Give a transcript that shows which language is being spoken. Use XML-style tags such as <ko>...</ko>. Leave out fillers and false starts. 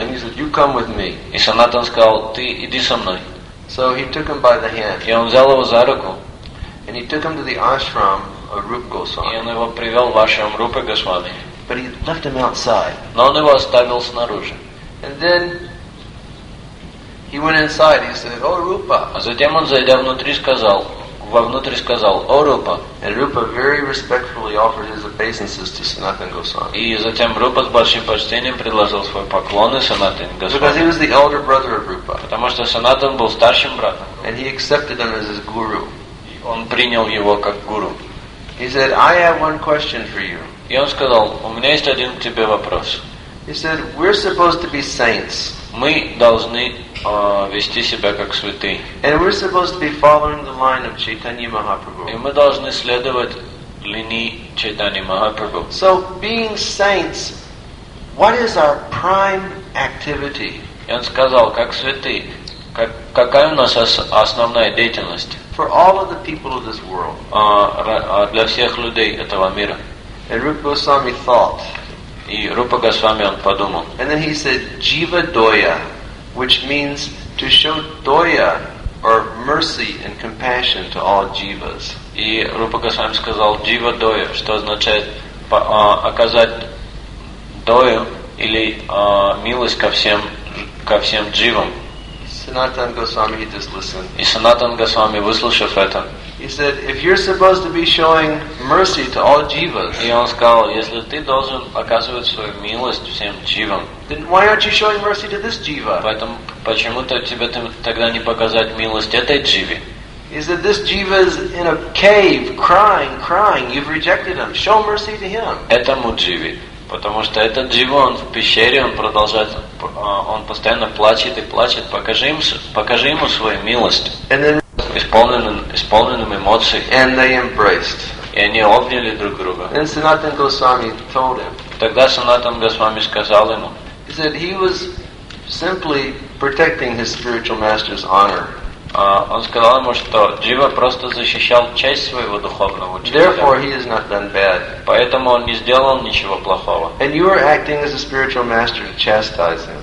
<en>And he said, "You come with me."</en> <ru>И Санатан сказал, "Ты иди со мной."</ru> <en>So he took him by the hand.</en> <ru>И он взял его за руку.</ru> <en>And he took him to the ashram of Rupa Goswami.</en> <ru>И он его привел в ашрам Рупы Госвами.</ru> <en>But he left him outside.</en> <ru>Но он его оставил снаружи.</ru> <en>And then he went inside. He said, "Oh, Rupa."</en> <ru>А затем он, зайдя внутрь, сказал, вовнутрь сказал, "О, Рупа."</ru> <en>And Rupa very respectfully offered his obeisances to Sanatan Goswami.</en> <ru>И затем Рупа с большим почтением предложил свой поклон Санатан Госвами.</ru> <en>Because he was the elder brother of Rupa.</en> <ru>Потому что Санатан был старшим братом.</ru> <en>And he accepted him as his guru.</en> <ru>Он принял его как гуру.</ru> <en>He said, "I have one question for you."</en> <ru>И он сказал, у меня есть один к тебе вопрос.</ru> <en>He said, "We're supposed to be saints."</en> <ru>Мы должны вести себя как святые.</ru> <en>And we're supposed to be following the line of Chaitanya Mahaprabhu.</en> <ru>И мы должны следовать линии Чайтаньи Махапрабху.</ru> <en>So, being saints, what is our prime activity?</en> <ru>И он сказал, как святые, какая у нас основная деятельность?</ru> <en>For all of the people of this world.</en> <ru>Для всех людей этого мира.</ru> <en>And Rupa Goswami thought.</en> <ru>И Рупа Госвами он подумал.</ru> <en>And then he said, "Jiva Doya," which means to show doya or mercy and compassion to all jivas.</en> <ru>И Рупа Госвами сказал, "Jiva Doya," что означает оказать дою или милость ко всем дживам.</ru> <en>Sanatan Goswami, he just listened.</en> <ru>И Санатан Госвами, выслушав это.</ru> <en>He said, "If you're supposed to be showing mercy to all jivas."</en> <ru>И он сказал, если ты должен оказывать свою милость всем дживам.</ru> <en>Then why aren't you showing mercy to this jiva?</en> <ru>Поэтому почему-то тебе тогда не показать милость этой дживе?</ru> <en>He said, "This jiva is in a cave, crying. You've rejected him. Show mercy to him."</en> <ru>Этому дживе, потому что этот джива, он в пещере, он продолжает, он постоянно плачет и плачет. Покажи ему свою милость.</ru> <en>And then</en> <ru>исполненным эмоций.</ru> <en>And they embraced.</en> <ru>И они обняли друг друга.</ru> <en>And Sanatan Goswami told him.</en> <ru>Тогда Санатан Госвами сказал ему.</ru> <en>He said he was simply protecting his spiritual master's honor.</en> <ru>Он сказал ему, что Джива просто защищал честь своего духовного учителя.</ru> <en>Therefore, he has not done bad.</en> <ru>Поэтому он не сделал ничего плохого.</ru> <en>And you are acting as a spiritual master to chastise him.</en>